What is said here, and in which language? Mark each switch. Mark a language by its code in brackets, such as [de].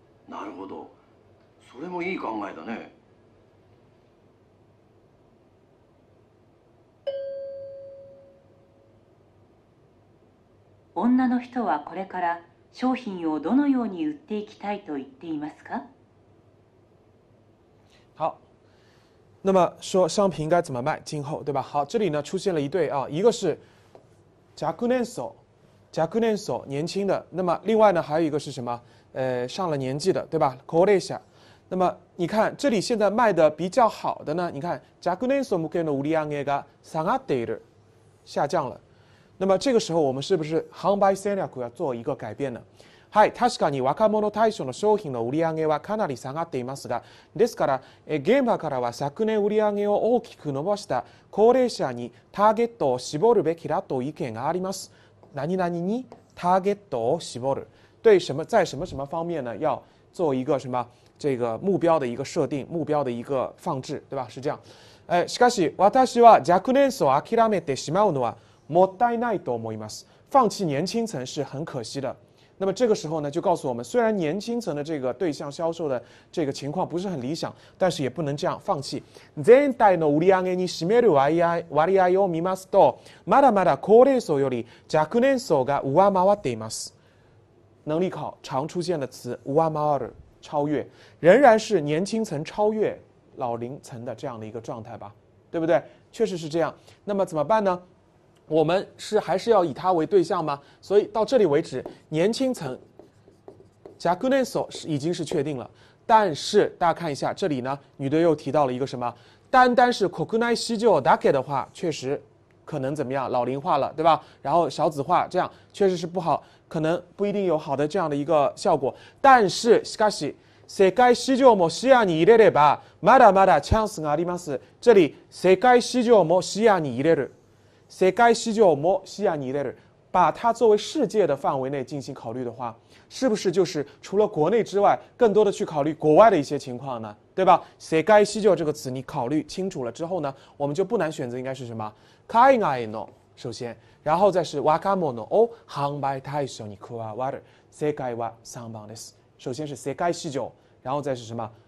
[ja] なるほど、それもいい考えだね。女の人はこれから商品をどのように売っていきたいと言っていますか？ [zh] 好，那么说商品该怎么卖，今后对吧？好，这里呢出现了一对啊，一个是若年層，年轻的，那么另外呢还有一个是什么？上了年纪的，对吧？高齢者。那么你看这里现在卖的比较好的呢，你看 [ja] 若年層向けの売り上げが下がっている， [zh] 下降了。那么这个时候我们是不是販売戦略要做一个改变呢？ [ja] はい、確かに若者対象の商品の売り上げはかなり下がっていますが、ですから現場からは昨年売り上げを大きく伸ばした高齢者にターゲットを絞るべきだと意見があります。何々にターゲットを絞る。 [zh] 对什么在什么什么方面呢？要做一个什么这个目标的一个设定，目标的一个放置，对吧？是这样。 [ja] しかし私は若年層を諦めてしまうのはもったいないと思います。 [zh] 放弃年轻层是很可惜的。那么这个时候呢，就告诉我们，虽然年轻层的这个对象销售的这个情况不是很理想，但是也不能这样放弃。 [ja] 全体の売り上げに占める割合を見ますと、まだまだ高齢層より若年層が上回っています。 [zh] 能力考常出现的词上回る，超越，仍然是年轻层超越老龄层的这样的一个状态吧，对不对？确实是这样。那么怎么办呢？我们是还是要以他为对象吗？所以到这里为止，年轻层若年層已经是确定了。但是大家看一下这里呢，女的又提到了一个什么，单单是国内市場だけ的话，确实可能怎么样，老龄化了，对吧？然后少子化，这样确实是不好，可能不一定有好的这样的一个效果。但是 [ja] しかし世界市場も視野に入れればまだまだチャンスがあります。 [zh] 这里 [ja] 世界市場も視野に入れる， [zh] 世界市場も視野に入れる，把它作为世界的范围内进行考虑的话，是不是就是除了国内之外，更多的去考虑国外的一些情况呢？对吧？世界市場这个词你考虑清楚了之后呢，我们就不难选择应该是什么？ [ja] 海外の [zh] 首先，然后再是 [ja] 若者を販売対象に加わる。世界は3番です。 [zh] 首先是世界市場，然后再是什么？